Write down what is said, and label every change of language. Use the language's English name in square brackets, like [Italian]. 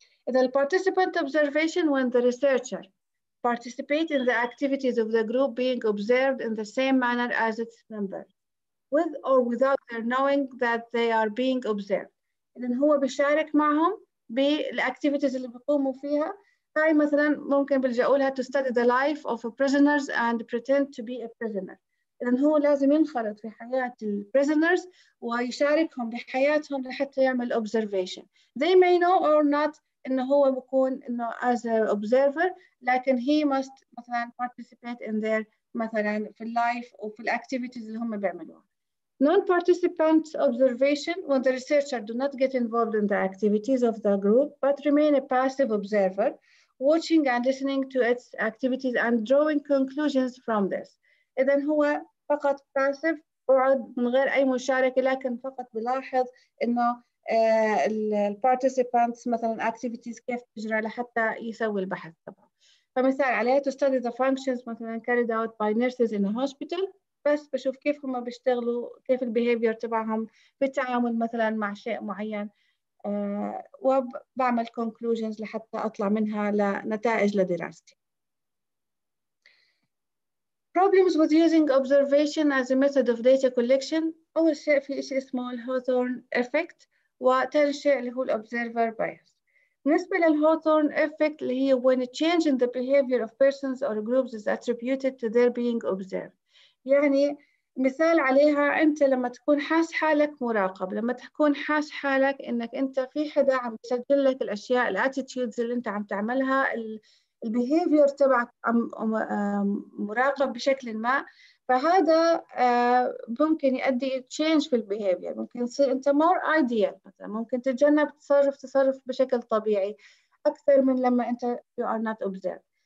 [English] إذا the participant observation when the researcher participate in the activities of the group being observed in the same manner as its member with or without their knowing that they are being observed. [Arabic] إذا هو بيشارك معهم بالactivities اللي بيقوموا فيها. هاي مثلا ممكن بلجأوا لها [English] to study the life of a prisoners and pretend to be a prisoner. [Arabic] إذا هو لازم ينخرط في حياة ال prisoners ويشاركهم بحياتهم لحتى يعمل observation. [English] They may know or not [Arabic] إنه هو بيكون إنه [English] as a observer، لكن he must مثلا participate in their [Arabic] مثلا في ال [English] life وفي ال activities [Arabic] اللي هم بيعملوها. [English] Non-participant observation when the researcher do not get involved in the activities of the group but remain a passive observer, watching and listening to its activities and drawing conclusions from this. [Arabic] إذن هو فقط passive وعد من غير أي مشاركة، لكن فقط بلاحظ إنه ال participants مثلا activities كيف تجرى لحتى يسوي البحث طبعا. فمثال عليها [English] to study the functions [Arabic] مثلا [English] carried out by nurses in a hospital، [Arabic] بس بشوف كيف هم بيشتغلوا، كيف البيهيفير تبعهم بالتعامل مثلا مع شيء معين، وبعمل conclusions لحتى اطلع منها لنتائج لدراستي. [English] Problems with using observation as a method of data collection. [Arabic] اول شيء في شيء اسمه الهوثورن effect، وثاني شيء اللي هو الobserver bias. بالنسبة للهوثورن effect اللي هي [English] when a change in the behavior of persons or groups is attributed to their being observed. [Arabic] يعني مثال عليها، انت لما تكون حاس حالك مراقب، لما تكون حاس حالك انك انت في حدا عم يسجل لك الاشياء، الاتيتيودز اللي انت عم تعملها، البيهيفير تبعك عم مراقب بشكل ما، فهذا ممكن يؤدي تشينج في البيهيفير، ممكن تصير انت [English] more ideal, [Arabic] ممكن تتجنب تصرف بشكل طبيعي اكثر من لما انت [English] You are not observe.